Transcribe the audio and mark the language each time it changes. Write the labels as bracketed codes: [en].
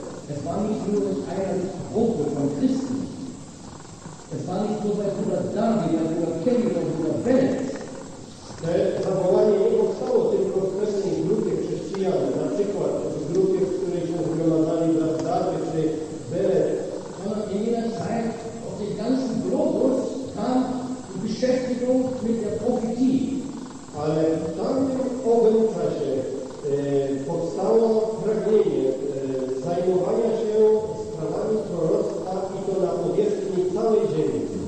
[de] Es war nicht nur eine Gruppe von Christen. Es war nicht nur bei Bruder David, bei Bruder Kevin, bei Bruder Bennett. [pl] Te zawołanie nie powstało tylko w pewnej grupie chrześcijan, na przykład w grupie, w której się zgromadzali brat David czy Bennett. [de] Sondern in jeder Zeit auf den ganzen Globus kam die Beschäftigung mit der Prophetie. [pl] Ale w tamtym owym czasie powstało pragnienie zajmowania się sprawami proroctwa i to na powierzchni całej ziemi.